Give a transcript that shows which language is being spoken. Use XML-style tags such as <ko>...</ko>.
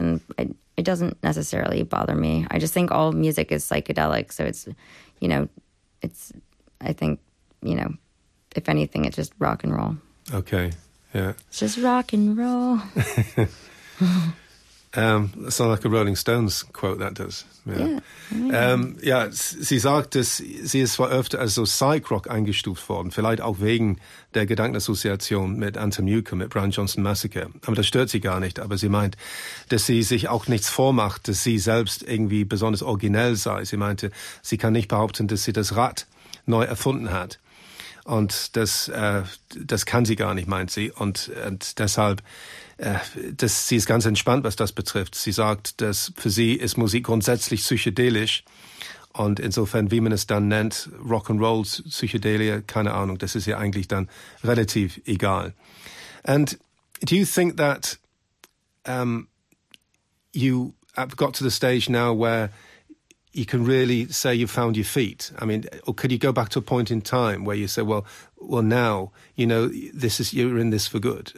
<en>And it doesn't necessarily bother me. I just think all music is psychedelic. So it's, you know, it's, I think, you know, if anything, it's just rock and roll. Okay. Yeah. It's just rock and roll. That's not like a Rolling Stones quote, that does. Yeah. Yeah.</en> <de>Ja, sie sagt, dass sie ist zwar öfter als so Psych-Rock eingestuft worden, vielleicht auch wegen der Gedankenassoziation mit Anthony Newcomb, mit Brian Johnston Massacre. Aber das stört sie gar nicht. Aber sie meint, dass sie sich auch nichts vormacht, dass sie selbst irgendwie besonders originell sei. Sie meinte, sie kann nicht behaupten, dass sie das Rad neu erfunden hat. Und das kann sie gar nicht, meint sie. Und deshalb, sie ist ganz entspannt, was das betrifft. Sie sagt, dass für sie ist Musik grundsätzlich psychedelisch. Und insofern, wie man es dann nennt, Rock'n'Roll, Psychedelia, keine Ahnung, das ist ihr eigentlich dann relativ egal.</de> <en>And do you think that you have got to the stage now where you can really say you've found your feet? I mean, or could you go back to a point in time where you say, well, now, you know, this is, you're in this for good.</en>